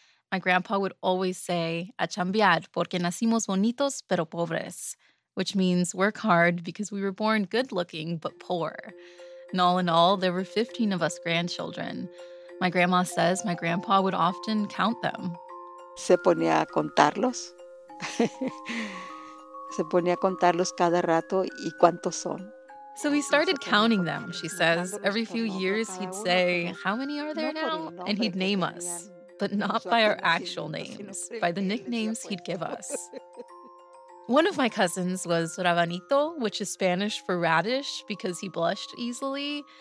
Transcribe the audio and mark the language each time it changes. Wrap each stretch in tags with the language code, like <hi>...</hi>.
<en>My grandpa would always say,</en> <es>"A chambear porque nacimos bonitos pero pobres,"</es> <en>which means work hard because we were born good-looking but poor. And all in all, there were 15 of us grandchildren. My grandma says my grandpa would often count them.</en> <es>Se ponía a contarlos. Se ponía a contarlos cada rato y cuántos son.</es> <en>So he started counting them, she says. Every few years, he'd say, "How many are there now?" And he'd name us, but not by our actual names, by the nicknames he'd give us. One of my cousins was Rabanito, which is Spanish for radish, because he blushed easily.</en>